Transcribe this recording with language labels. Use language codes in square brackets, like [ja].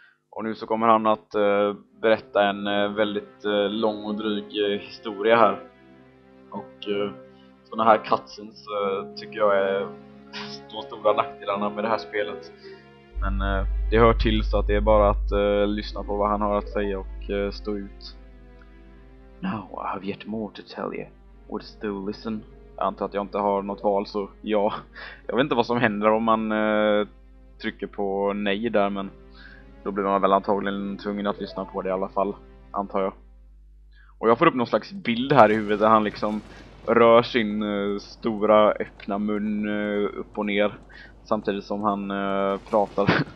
[sv] Och nu så kommer han att berätta en väldigt lång och dryg historia här. Och såna här cutscenes tycker jag är de stora nackdelarna med det här spelet. Men det hör till, så att det är bara att lyssna på vad han har att säga och stå ut. [en] Now I have yet more to tell you. Would still listen. [sv] Jag antar att jag inte har något val, så ja. Jag vet inte vad som händer om man trycker på nej där, men då blir man väl antagligen tvungen att lyssna på det i alla fall, antar jag. Och jag får upp någon slags bild här i huvudet där han liksom rör sin stora öppna mun upp och ner samtidigt som han pratar.